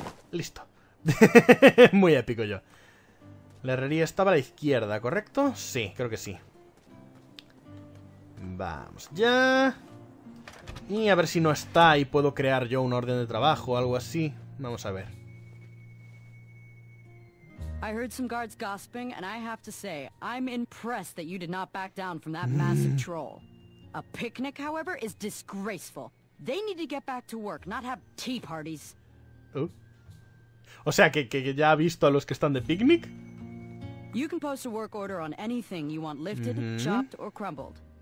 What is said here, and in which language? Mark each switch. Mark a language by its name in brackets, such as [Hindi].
[Spanish] Listo. Muy épico yo. La herrería estaba a la izquierda, ¿correcto? Sí, creo que sí. Vamos ya. Y a ver si no está y puedo crear yo un orden de trabajo o algo así. Vamos a ver. [English] I heard some guards gossiping and I have to say, I'm impressed that you did not back down from that massive troll. A picnic, however, is disgraceful. They need to get back to work, not have tea parties. [Spanish] O sea, que ya ha visto a los que están de picnic. [English] You can post a work order on anything you want lifted, chopped or crumbled.